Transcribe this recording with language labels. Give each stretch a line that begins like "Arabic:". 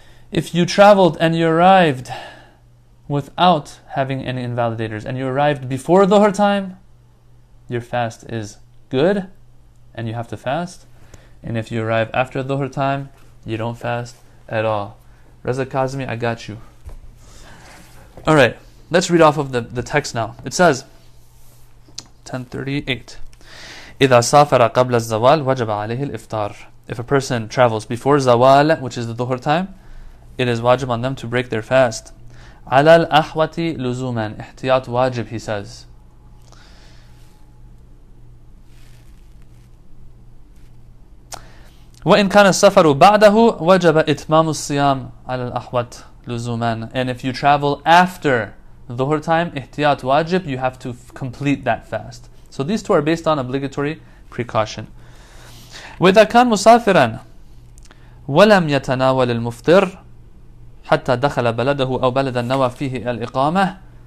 English: If you traveled and you arrived without having any invalidators and you arrived before Dhuhr time, your fast is good and you have to fast. And if you arrive after Dhuhr time, you don't fast at all. Reza Kazemi, I got you. All right, let's read off of the text now. It says, 10:38.
Arabic: إذا سافر قبل الزوال وجب عليه الإفطار.
English: If a person travels before Zawal, which is the Dhuhr time, it is wajib on them to break their fast.
Arabic: على الأحوة لزوما. احتياط واجب,
English: he says.
Arabic: وإن كان السفر بعده وجب إتمام الصيام على الأحوة. Luzuman.
English: And if you travel after Dhuhr time, ihtiyat wajib, you have to complete that fast. So these two are based on obligatory precaution.
Arabic: وَإِذَا كَانْ مُسَافِرًا وَلَمْ يَتَنَاوَلِ الْمُفْطِرِ حَتَّى دَخَلَ بَلَدَهُ أَوْ بَلَدَ النَّوَى فِيهِ الْإِقَامَةِ.